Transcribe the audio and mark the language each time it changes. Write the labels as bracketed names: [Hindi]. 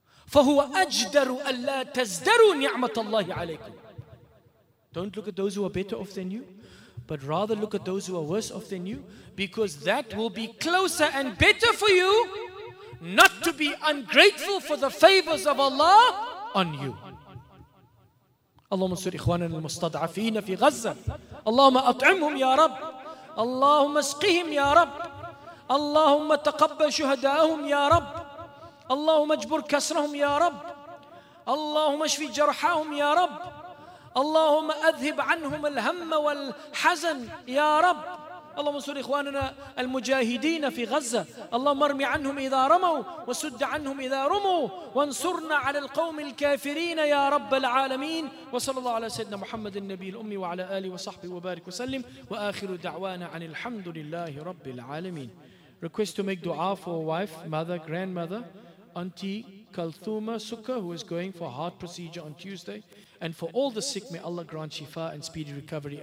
[Arabic] فَهُوَ أَجْدَرُ أَلَّا تَزْدَرُوا نِعْمَةَ اللَّهِ عَلَيْكُمْ. [English] Don't look at those who are better off than you, but rather look at those who are worse off than you, because that will be closer and better for you not to be ungrateful for the favors of Allah on you. [Arabic] اللهم انصر إخواننا المستضعفين في غزة. اللهم أطعمهم يا رب. اللهم اسقهم يا رب. اللهم تقبل شهداءهم يا رب. اللهم اجبر كسرهم يا رب. اللهم اشفي جرحاهم يا رب. اللهم اذهب عنهم الهم والحزن يا رب. اللهم انصر اخواننا المجاهدين في غزة. اللهم ارمي عنهم اذا رموا وسد عنهم اذا رموا وانصرنا على القوم الكافرين يا رب العالمين. وصلى الله على سيدنا محمد النبي الامي وعلى اله وصحبه وبارك وسلم. واخر دعوانا عن الحمد لله رب العالمين. [English] Request to make dua for wife, mother, grandmother, auntie Kalthuma Sukka, who is going for heart procedure on Tuesday, and for all the sick. May Allah grant shifa and speedy recovery.